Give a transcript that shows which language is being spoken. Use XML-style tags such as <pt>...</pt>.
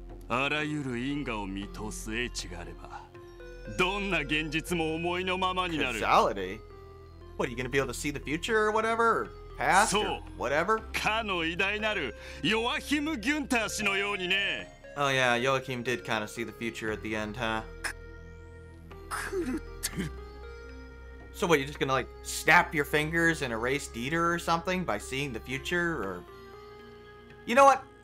<ja>あらゆる因果を見通す英知があればどんな現実も思いのままになる</ja> <en>causality? What, are you gonna be able to see the future or whatever? Past or whatever?</en> <ja>かの偉大なるヨアヒム・ギュンター氏のようにね</ja> <en>Oh yeah, Joachim did kind of see the future at the end, huh?</en> <ja>狂ってる</ja> <en>So what, you're just gonna like snap your fingers and erase Dieter or something by seeing the future or You know what?</en>